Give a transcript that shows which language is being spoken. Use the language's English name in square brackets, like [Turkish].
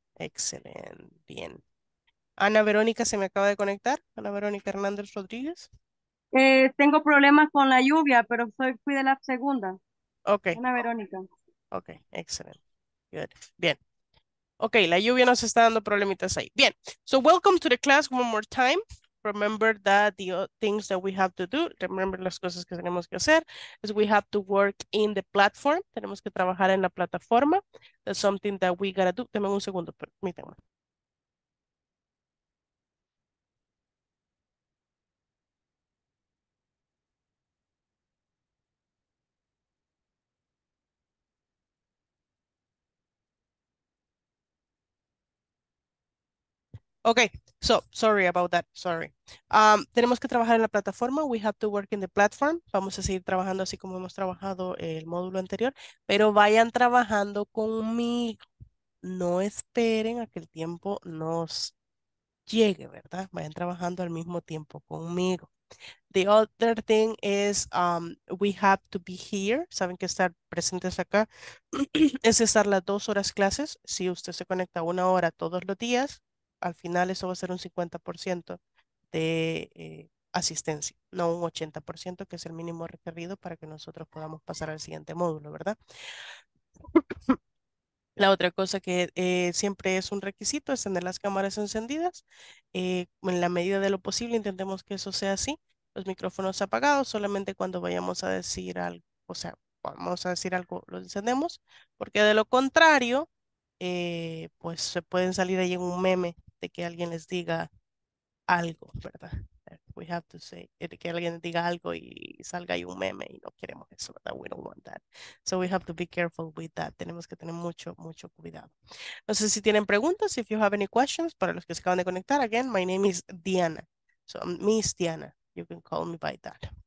[Spanish] Excellent, bien. Ana Verónica se me acaba de conectar. Ana Verónica Hernández Rodríguez. Tengo problemas con la lluvia, pero fui de la segunda. Ok. Ana Verónica. [English] Ok, excellent. Good. Bien. [Spanish] Ok, la lluvia nos está dando problemitas ahí. Bien. [English] So, welcome to the class one more time. Remember that the things that we have to do, remember [Spanish] las cosas que tenemos que hacer, [English] is we have to work in the platform. [Spanish] Tenemos que trabajar en la plataforma. [English] That's something that we gotta do. [Spanish] Deme un segundo, permítanme. [English] Okay, so sorry about that, sorry. [Spanish] Tenemos que trabajar en la plataforma, [English] we have to work in the platform. [Spanish] Vamos a seguir trabajando así como hemos trabajado el módulo anterior, pero vayan trabajando conmigo. No esperen a que el tiempo nos llegue, ¿verdad? Vayan trabajando al mismo tiempo conmigo. [English] The other thing is we have to be here. [Spanish] Saben que estar presentes acá es estar las 2 horas clases. Si usted se conecta 1 hora todos los días, al final eso va a ser un 50% de asistencia, no un 80%, que es el mínimo requerido para que nosotros podamos pasar al siguiente módulo, ¿verdad? La otra cosa que siempre es un requisito es tener las cámaras encendidas. En la medida de lo posible, intentemos que eso sea así. Los micrófonos apagados, solamente cuando vayamos a decir algo, o sea, vamos a decir algo, lo encendemos, porque de lo contrario, pues se pueden salir ahí en un meme de que alguien les diga algo, ¿verdad? [English] We have to say, [Spanish] de que alguien diga algo y salga ahí un meme y no queremos eso, ¿verdad? [English] We don't want that. So we have to be careful with that. [Spanish] Tenemos que tener mucho, mucho cuidado. No sé si tienen preguntas, [English] if you have any questions, [Spanish] para los que se acaban de conectar, [English] again, my name is Diana. So Miss Diana, you can call me by that.